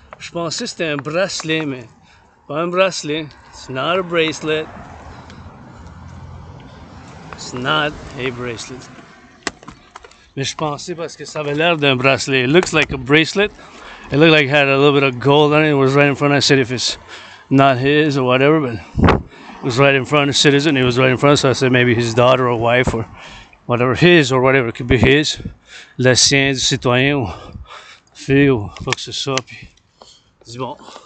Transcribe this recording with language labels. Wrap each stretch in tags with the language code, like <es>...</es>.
<fr>Je pensais que c'était un bracelet, mais pas un bracelet.</fr> <en>It's not a bracelet. It's not a bracelet.</en> <fr>Mais je pensais parce que ça avait l'air d'un bracelet.</fr> <en>It looks like a bracelet. It looked like it had a little bit of gold on it. It was right in front. I said if it's not his or whatever, but it was right in front of the citizen. It was right in front. So I said maybe his daughter or wife or whatever, his or whatever, it could be his.</en> <fr>Le sien du citoyen ou fille ou quoi que ce soit, puis c'est bon.</fr>